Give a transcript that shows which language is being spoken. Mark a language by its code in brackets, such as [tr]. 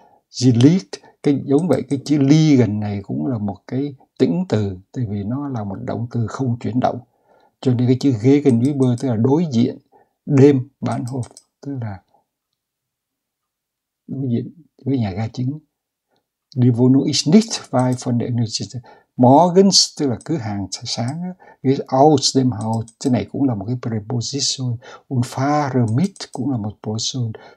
[de] Sie liegt, [vi] cái giống vậy, cái chữ liegen này cũng là một cái tĩnh từ, tại vì nó là một động từ không chuyển động. Cho nên cái chữ gegenüber tức là đối diện, dem Bahnhof tức là đối diện với nhà ga chính. [de] Die Wohnung ist nicht weit von der Universität. [vi] Morgens tức là cứ hàng sáng. [de] Ist aus dem Haus, [vi] cái này cũng là một cái preposition. [de] Und fahre mit [vi] cũng là một preposition.